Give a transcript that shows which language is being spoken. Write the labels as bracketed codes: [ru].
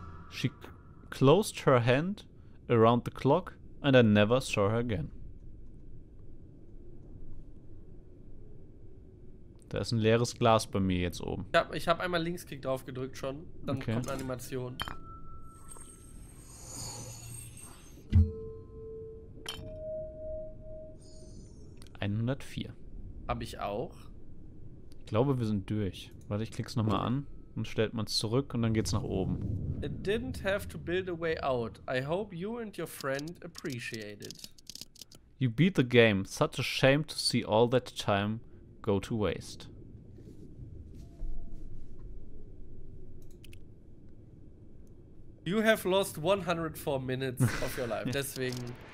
[en] She closed her hand around the clock and I never saw her again. [de] Da ist ein leeres Glas bei mir jetzt oben. Ich hab einmal Linksklick drauf gedrückt schon. Dann okay. Kommt eine Animation. Habe ich auch. Ich glaube, wir sind durch. Warte, ich klick's nochmal an. Dann stellt man's zurück und dann geht's nach oben. [en] It didn't have to build a way out. I hope you and your friend appreciate it. You beat the game. Such a shame to see all that time go to waste. You have lost 104 minutes of your life. Deswegen.